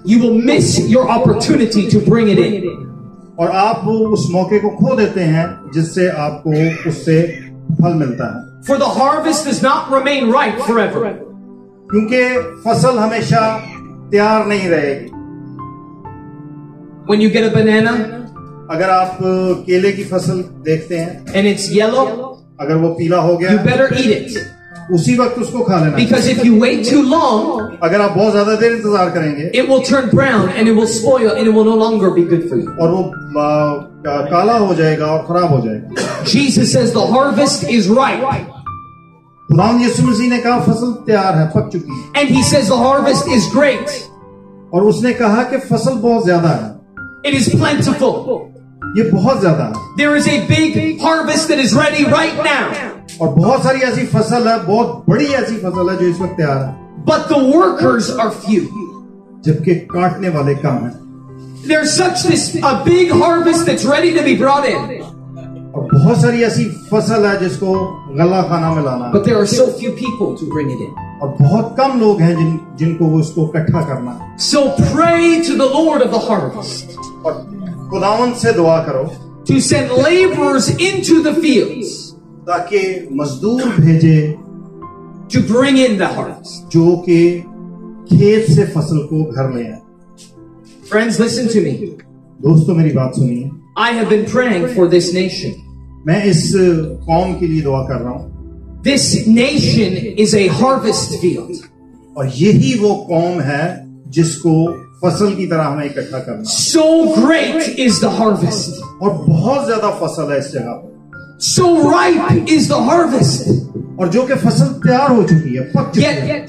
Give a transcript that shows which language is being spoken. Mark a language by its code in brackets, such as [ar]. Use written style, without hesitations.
[en] you will miss your opportunity to bring it in. [hi] और आप उस मौके को खो देते हैं जिससे आपको उससे फल मिलता है. [en] For the harvest does not remain ripe forever. [hi] क्योंकि फसल हमेशा तैयार नहीं रहेगी. [en] When you get a banana, [hi] अगर आप केले की फसल देखते हैं, [en] and it's yellow, [hi] अगर वो पीला हो गया, [en] you better eat it. [hi] उसी वक्त उसको खा लेना. [en] Because if you wait too long, [hi] अगर आप बहुत ज्यादा देर इंतजार करेंगे, [en] it will turn brown and it will spoil and it will no longer be good for you. [hi] और वो काला हो जाएगा और खराब हो जाएगा. [en] Jesus says the harvest is ripe. [hi] खुदा यीशु मसीह ने कहा फसल तैयार है, पक चुकी है. [en] And he says the harvest is great. [hi] और उसने कहा कि फसल बहुत ज्यादा है. [en] It is plentiful. [hi] ये बहुत ज्यादा. [en] There is a big harvest that is ready right now. [hi] और बहुत सारी ऐसी फसल है, बहुत बड़ी ऐसी फसल है जो इस वक्त तैयार है. [en] But the workers are few. [hi] जबकि काटने वाले कम हैं. [en] There's such this a big harvest that's ready to be brought in. [hi] और बहुत सारी ऐसी फसल है जिसको गल्ला खाना में लाना है. [en] But there are so few people to bring it in. [hi] और बहुत कम लोग हैं जिनको उसको इकट्ठा करना है. [en] So pray to the Lord of the harvest. [hi] और खुदावंद से दुआ करो. [en] To send laborers into the fields. [hi] ताकि मजदूर भेजे. [en] To bring in the harvest. [hi] जो कि खेत से फसल को घर ले आए. [en] Friends, listen to me. [hi] दोस्तों मेरी बात सुनिए. [en] I have been praying for this nation. [hi] मैं इस कौम के लिए दुआ कर रहा हूं. [en] This nation is a harvest field. [hi] और यही वो कौम है जिसको फसल की तरह हमें इकट्ठा करना. [en] So great is the harvest. [hi] और बहुत ज्यादा फसल है इस जगह पर. [en] So ripe is the harvest. [hi] और जो कि फसल तैयार हो चुकी है, पक चुकी है.